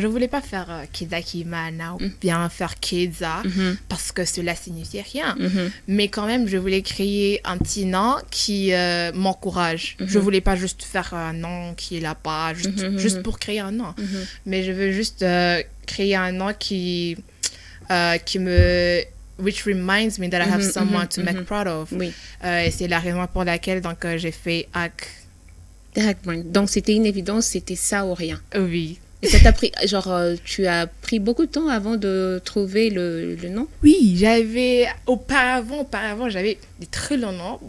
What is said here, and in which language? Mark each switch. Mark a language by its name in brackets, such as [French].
[French] Je voulais pas faire Kida Kimana ou bien faire Kidza parce que cela signifiait rien. Mais quand même, je voulais créer un petit nom qui m'encourage. Je voulais pas juste faire un nom qui est là-bas, juste pour créer un nom. Mais je veux juste créer un nom qui me... [English] Which reminds me that I have someone to make proud of. [French] Oui. Et c'est la raison pour laquelle donc, j'ai fait Hack. Hack Brand. Donc c'était une évidence, c'était ça ou rien. Oui. Et ça t'a pris, tu as pris beaucoup de temps avant de trouver le nom? Oui, j'avais, auparavant, j'avais des très longs noms.